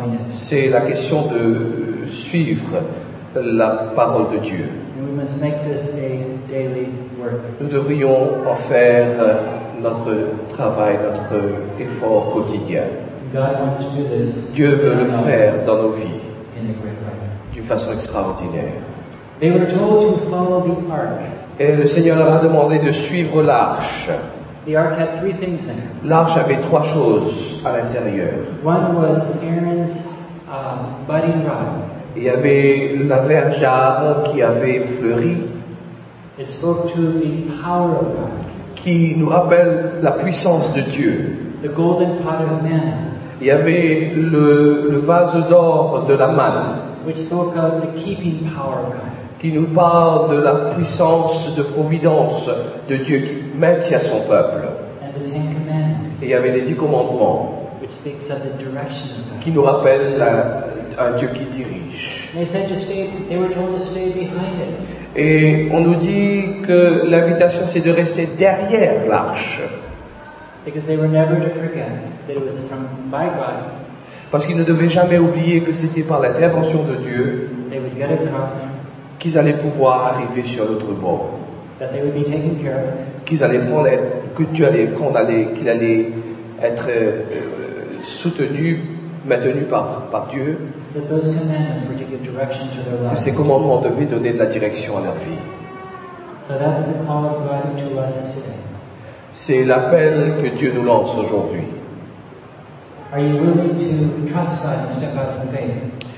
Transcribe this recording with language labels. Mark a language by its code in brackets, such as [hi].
[fr] C'est la question de suivre la parole de Dieu. [en] We must make this a daily work. [fr] Nous devrions en faire notre travail, notre effort quotidien. [en] God wants to do this. [fr] Dieu veut le faire dans nos vies [en] in a great way. [fr] D'une façon extraordinaire. [en] They were told to follow the ark. [fr] Et le Seigneur leur a demandé de suivre l'arche. [en] The ark had three things in it. [fr] L'arche avait trois choses à l'intérieur. [en] One was Aaron's budding rod. [fr] Il y avait la verge à Aaron qui avait fleuri. [en] It spoke to the power of God. [fr] Qui nous rappelle la puissance de Dieu. [en] The golden pot of manna. [fr] Il y avait le vase d'or de la manne. [en] Which spoke of the keeping power of God. [fr] Qui nous parle de la puissance de providence de Dieu qui maintient son peuple. [en] And the Ten Commandments. [fr] Et il y avait les 10 commandements. [en] Which speaks of the direction of God. [fr] Qui nous rappelle un Dieu qui dirige. [en] They said to stay, they were told to stay behind it. [fr] Et on nous dit que l'invitation c'est de rester derrière l'arche. [en] Because they were never to forget that it was from by God. [fr] Parce qu'ils ne devaient jamais oublier que c'était par l'intervention de Dieu [en] they would get across, [fr] qu'ils allaient pouvoir arriver sur l'autre bord. [en] That they would be taken care of. [fr] Qu'ils allaient prendre, que Dieu allait prendre, qu'il allait être soutenu, maintenu par Dieu. [en] That those commandments were to give direction to their lives. [fr] Que ces commandements devaient donner de la direction à leur vie. [en] So that's the call of God to us today. [fr] C'est l'appel que Dieu nous lance aujourd'hui. [en] Are you willing to trust God and step out in faith?